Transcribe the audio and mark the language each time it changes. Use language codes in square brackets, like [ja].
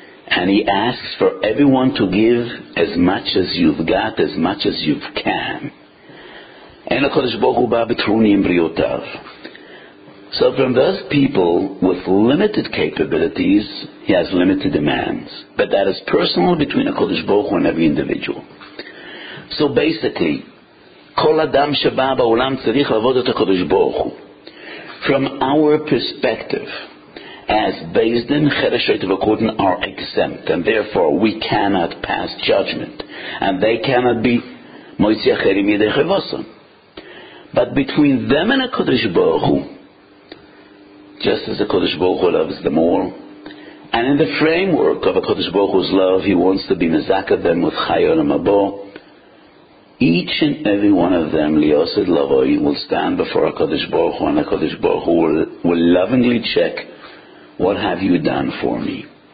[en] And he asks for everyone to give as much as you've got, as much as you can. And [he] HaKadosh Baruch Hu ba b'trunim b'riotav. [en] So from those people with limited capabilities, he has limited demands. But that is personal between HaKadosh Baruch Hu and every individual. So basically, [he] כל אדם שבא בעולם צריך לעבוד את הקדוש ברוך הוא. [en] From our perspective, as Beis Din, Chedesh HaYitvakutin are exempt, and therefore we cannot pass judgment, and they cannot be [he] Moitzi Acherim Yidei Chevosam. [en] But between them and HaKadosh Baruch Hu, just as HaKadosh Baruch Hu loves them all, and in the framework of HaKadosh Baruch Hu's love, He wants to be Mezakeh them with Chayei Olam Haba, each and every one of them, Liosid Lavoi, will stand before HaKadosh Baruch Hu, and HaKadosh Baruch Hu will lovingly check, what have you done for me?